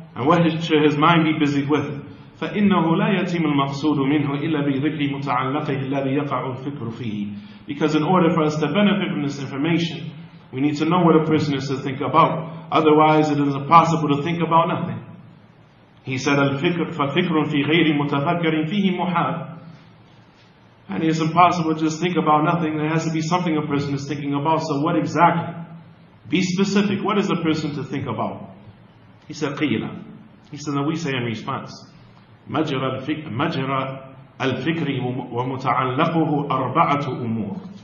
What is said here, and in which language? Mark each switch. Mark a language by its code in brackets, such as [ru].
[en] And what should his mind be busy with? [ar] فَإِنَّهُ لَا يَتِيمُ الْمَقْصُودُ مِنْهُ إِلَّا بِذِكْرِ مُتَعَلَّقِهِ الَّذِي يَقَعُ الْفِكْرُ فِيهِ. [en] Because in order for us to benefit from this information, we need to know what a person is to think about. Otherwise, it is impossible to think about nothing. He said, [ar] فَفِكْرٌ فِي غَيْرِ مُتَفَكَّرٍ فِيهِ مُحَابٍ. [en] And it's impossible to just think about nothing. There has to be something a person is thinking about. So what exactly? Be specific. What is a person to think about? He said, قِيلًا. He said, that we say in response, [ar] مَجْرَى الْفِكْرِ وَمُتَعَلَّقُهُ أَرْبَعَةُ أُمُورٍ.